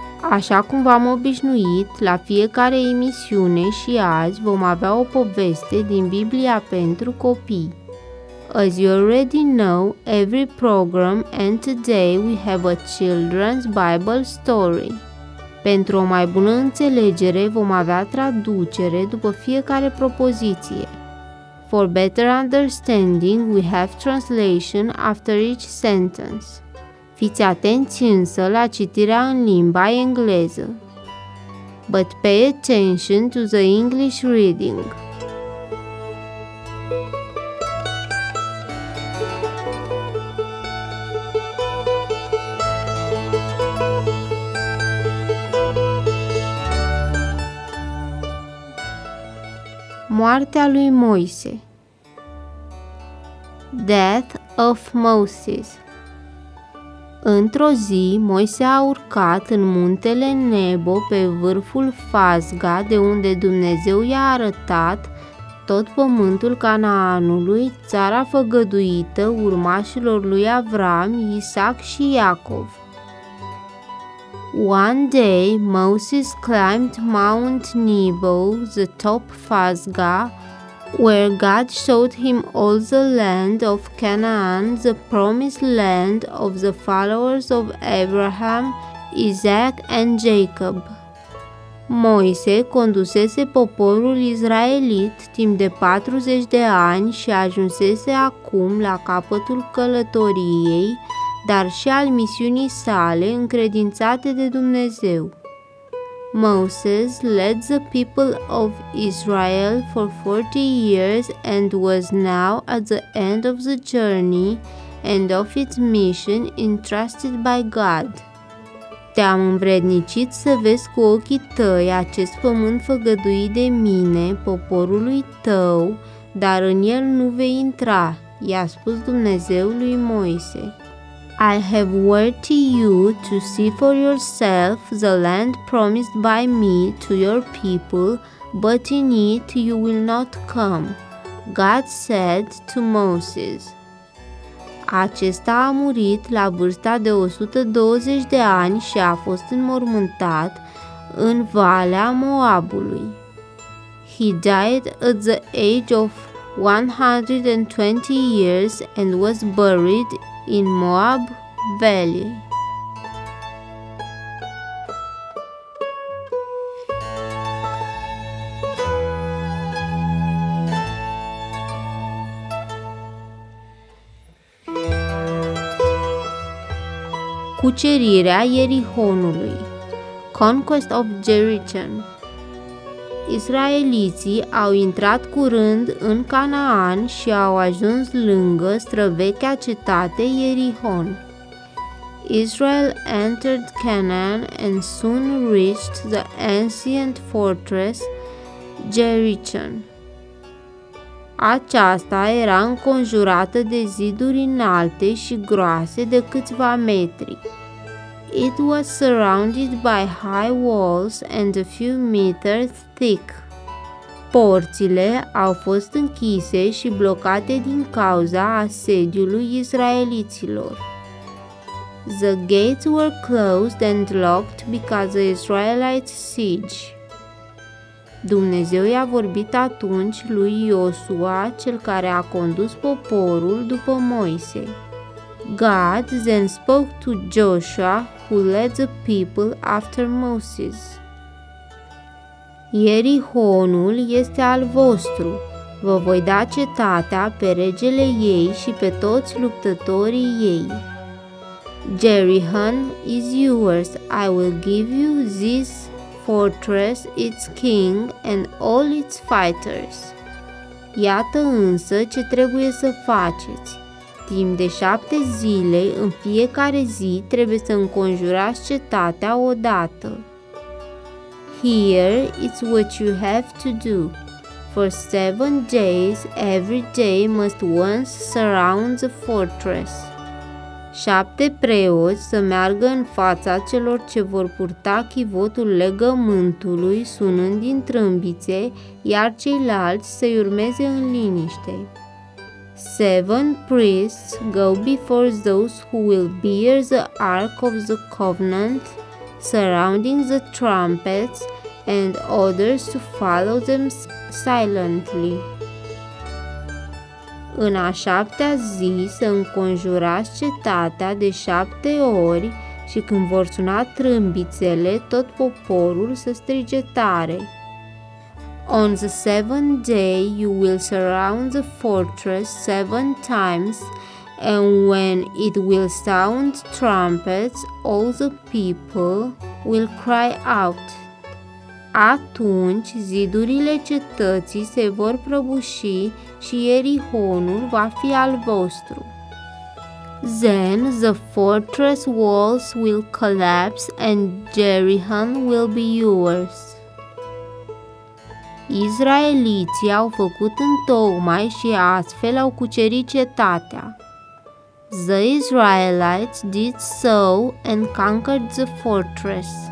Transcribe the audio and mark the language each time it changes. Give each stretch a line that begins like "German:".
Romanian: Așa cum v-am obișnuit, la fiecare emisiune și azi vom avea o poveste din Biblia pentru copii.
English: As you already know, every program and today we have a children's Bible story.
Romanian: Pentru o mai bună înțelegere vom avea traducere după fiecare propoziție.
English: For better understanding, we have translation after each sentence.
Romanian: Fiți atenți însă la citirea în limba engleză.
English: But pay attention to the English reading.
Romanian: Moartea lui Moise.
English: Death of Moses.
Romanian: Într-o zi, Moise a urcat în muntele Nebo pe vârful Fazga, de unde Dumnezeu i-a arătat tot pământul Canaanului, țara făgăduită urmașilor lui Avram, Isaac și Iacov.
English: One day, Moses climbed Mount Nebo, the top Fazga, where God showed him all the land of Canaan, the promised land of the followers of Abraham, Isaac and Jacob.
Romanian: Moise condusese poporul israelit timp de 40 de ani și ajunsese acum la capătul călătoriei, dar și al misiunii sale încredințate de Dumnezeu.
English: Moses led the people of Israel for 40 years and was now at the end of the journey and of its mission entrusted by God.
Romanian: Te-am învrednicit să vezi cu ochii tăi acest pământ făgăduit de mine, poporului tău, dar în el nu vei intra, i-a spus Dumnezeu lui Moise.
English: I have word to you to see for yourself the land promised by me to your people, but in it you will not come, God said to Moses.
Romanian: Acesta a murit la vârsta de 120 de ani și a fost înmormântat în Valea Moabului.
English: He died at the age of 120 years and was buried in Moab Valley.
Romanian: Cucerirea Ierihonului.
English: Conquest of Jericho.
Romanian: Israeliții au intrat curând în Canaan și au ajuns lângă străvechea cetate Ierihon.
English: Israel entered Canaan and soon reached the ancient fortress Jericho.
Romanian: Aceasta era înconjurată de ziduri înalte și groase de câțiva metri.
English: It was surrounded by high walls and a few meters thick.
Romanian: Porțile au fost închise și blocate din cauza asediului israeliților.
English: The gates were closed and locked because of Israelite siege.
Romanian: Dumnezeu i-a vorbit atunci lui Iosua, cel care a condus poporul după Moise.
English: God then spoke to Joshua, who led the people after Moses.
Romanian: Ierihonul este al vostru. Vă voi da cetatea pe regele ei și pe toți luptătorii ei.
English: Jericho is yours. I will give you this fortress, its king, and all its fighters.
Romanian: Iată însă ce trebuie să faceți. Timp de 7 zile, în fiecare zi, trebuie să înconjurați cetatea odată.
English: Here is what you have to do. For 7 days, every day must once surround the fortress.
Romanian: 7 preoți să meargă în fața celor ce vor purta chivotul legământului sunând din trâmbițe, iar ceilalți să-i urmeze în liniște.
English: 7 priests go before those who will bear the Ark of the Covenant, surrounding the trumpets, and others to follow them silently.
Romanian: În a 7-a zi să înconjurați cetatea de 7 ori și când vor suna trâmbițele, tot poporul să strige tare.
English: On the 7th day, you will surround the fortress 7 times, and when it will sound trumpets, all the people will cry out.
Romanian: Atunci, zidurile cetății se vor prăbuși și Ierihonul va fi al vostru.
English: Then the fortress walls will collapse and Jericho will be yours.
Romanian: Israeliții au făcut întocmai și astfel au cucerit cetatea.
English: The Israelites did so and conquered the fortress.